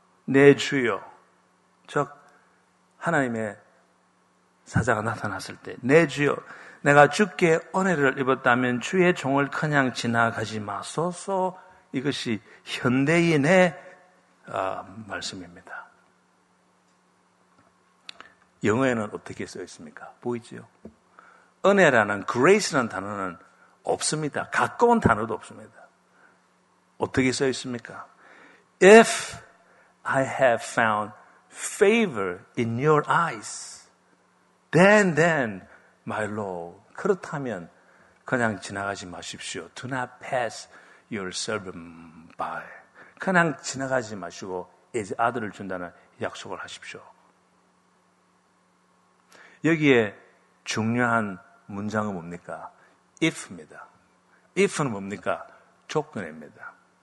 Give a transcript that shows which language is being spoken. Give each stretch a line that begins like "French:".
Korean: 내 주여, 즉 하나님의 사자가 나타났을 때 내 주여, 내가 주께 은혜를 입었다면 주의 종을 그냥 지나가지 마소서. 이것이 현대인의 말씀입니다. 영어에는 어떻게 써 있습니까? 보이죠? 은혜라는 grace라는 단어는 없습니다. 가까운 단어도 없습니다. 어떻게 써 있습니까?
English: If I have found favor in your eyes, then my Lord.
Korean: 그렇다면 그냥 지나가지 마십시오.
English: Do not pass your servant by.
Korean: 그냥 지나가지 마시고 이제 아들을 준다는 약속을 하십시오. 여기에 중요한 문장은 뭡니까? If입니다. If는 뭡니까? 조건입니다.